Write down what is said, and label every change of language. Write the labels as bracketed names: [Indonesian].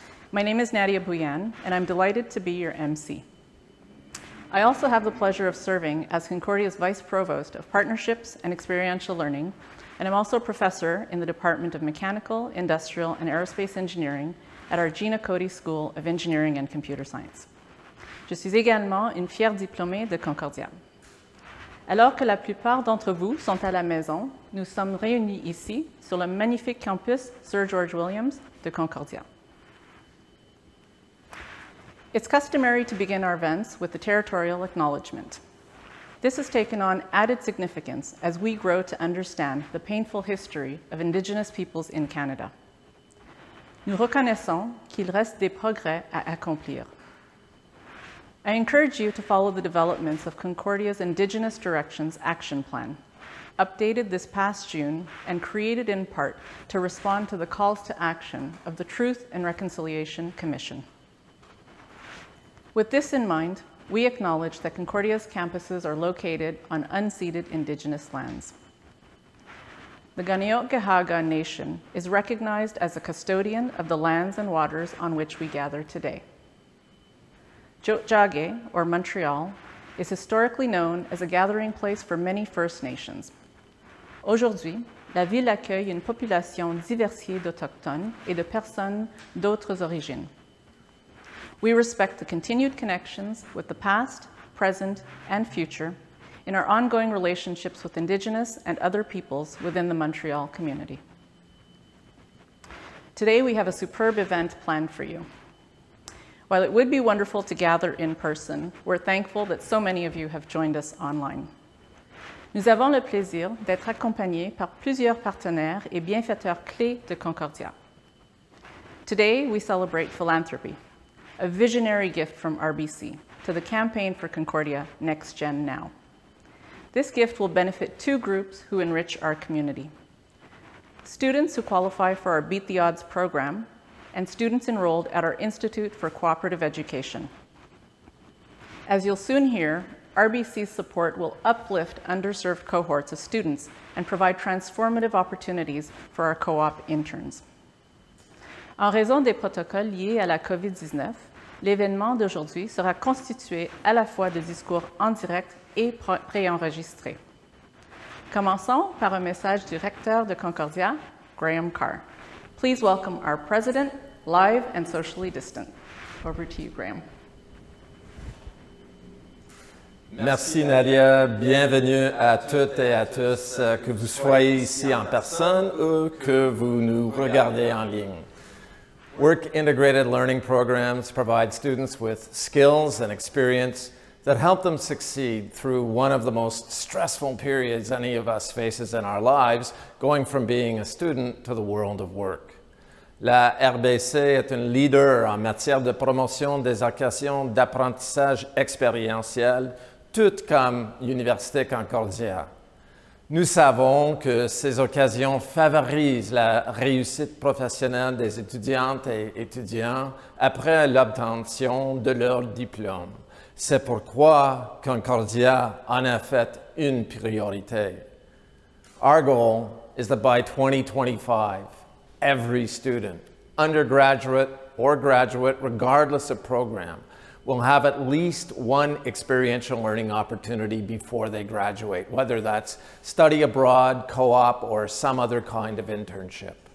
[English] My name is Nadia Bouyan, and I'm delighted to be your MC. I also have the pleasure of serving as Concordia's Vice Provost of Partnerships and Experiential Learning, and I'm also a professor in the Department of Mechanical, Industrial, and Aerospace Engineering at our Gina Cody School of Engineering and Computer Science. [French] Je suis également une fière diplômée de Concordia. Alors que la plupart d'entre vous sont à la maison, nous sommes réunis ici sur le magnifique campus Sir George Williams de Concordia. [English] It's customary to begin our events with the territorial acknowledgement. This has taken on added significance as we grow to understand the painful history of Indigenous peoples in Canada. [French] Nous reconnaissons qu'il reste des progrès à accomplir. [English] I encourage you to follow the developments of Concordia's Indigenous Directions Action Plan, updated this past June and created in part to respond to the calls to action of the Truth and Reconciliation Commission. With this in mind, we acknowledge that Concordia's campuses are located on unceded Indigenous lands. The Ganeogehaga Nation is recognized as a custodian of the lands and waters on which we gather today. Jotjage, or Montreal, is historically known as a gathering place for many First Nations. [French] Aujourd'hui, la ville accueille une population diversifiée d'Autochtones et de personnes d'autres origines. [English] We respect the continued connections with the past, present, and future in our ongoing relationships with Indigenous and other peoples within the Montreal community. Today, we have a superb event planned for you. While it would be wonderful to gather in person, we're thankful that so many of you have joined us online. [French] Nous avons le plaisir d'être accompagnés par plusieurs partenaires et bienfaiteurs clés de Concordia. [English] Today, we celebrate philanthropy, a visionary gift from RBC to the Campaign for Concordia Next Gen Now. This gift will benefit two groups who enrich our community: students who qualify for our Beat the Odds program and students enrolled at our Institute for Cooperative Education. As you'll soon hear, RBC's support will uplift underserved cohorts of students and provide transformative opportunities for our co-op interns. [French] En raison des protocoles liés à la COVID-19, l'événement d'aujourd'hui sera constitué à la fois de discours en direct et préenregistrés. Commençons par un message du recteur de Concordia, Graham Carr. [English] Please welcome our president, live and socially distant. Over to you, Graham. [French] Merci, Nadia. Bienvenue à toutes et à tous, que vous soyez ici en personne ou que vous nous regardez en ligne. [English] Work-integrated learning programs provide students with skills and experience that help them succeed through one of the most stressful periods any of us faces in our lives, going from being a student to the world of work. [French] La RBC est un leader en matière de promotion des occasions d'apprentissage expérientiel, tout comme l'Université Concordia. Nous savons que ces occasions favorisent la réussite professionnelle des étudiantes et étudiants après l'obtention de leur diplôme. C'est pourquoi Concordia en a fait une priorité. [English] Our goal is that by 2025, every student, undergraduate or graduate, regardless of program, will have at least one experiential learning opportunity before they graduate, whether that's study abroad, co-op, or some other kind of internship.